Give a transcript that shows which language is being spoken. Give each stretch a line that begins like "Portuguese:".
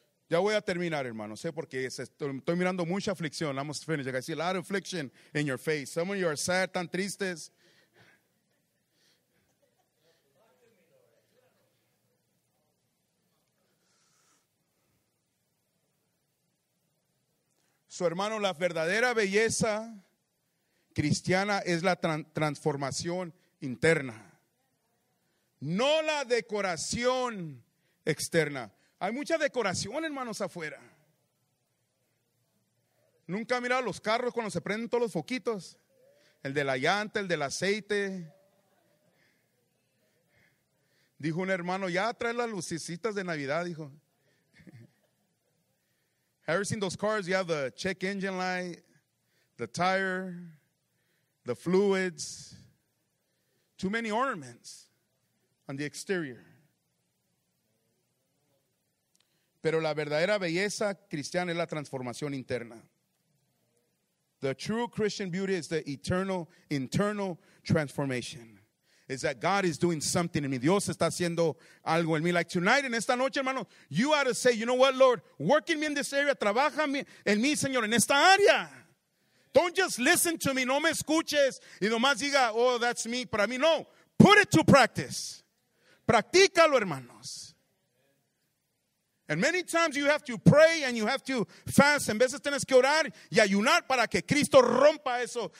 Spanish: Ya voy a terminar, hermano. Sé porque estoy mirando mucha aflicción.
English: I'm almost finished. I see a lot of affliction in your face. Some of you are sad,
Spanish: tan tristes. Su hermano, la verdadera belleza cristiana es la transformación interna, no la decoración externa. Hay mucha decoración, hermanos, afuera. Nunca he mirado los carros cuando se prenden todos los foquitos, el de la llanta, el del aceite. Dijo un hermano, ya trae las lucecitas de Navidad, dijo.
English: Ever seen those cars? You have the check engine light, the tire, the fluids, too many ornaments on the exterior.
Spanish: Pero la verdadera belleza cristiana es la transformación interna.
English: The true Christian beauty is the eternal, internal transformation. Is that God is doing something in me.
Spanish: Dios está haciendo algo en mí.
English: Like tonight,
Spanish: en esta noche, hermano,
English: you ought to say, you know what, Lord, work in me in this area.
Spanish: Trabaja en mí, Señor, en esta área.
English: Don't just listen to me.
Spanish: No me escuches. Y nomás diga,
English: oh, that's me.
Spanish: Para mí, no.
English: Put it to practice.
Spanish: Practícalo, hermanos.
English: And many times you have to pray and you have to fast.
Spanish: En veces tienes que orar y ayunar para que Cristo rompa eso.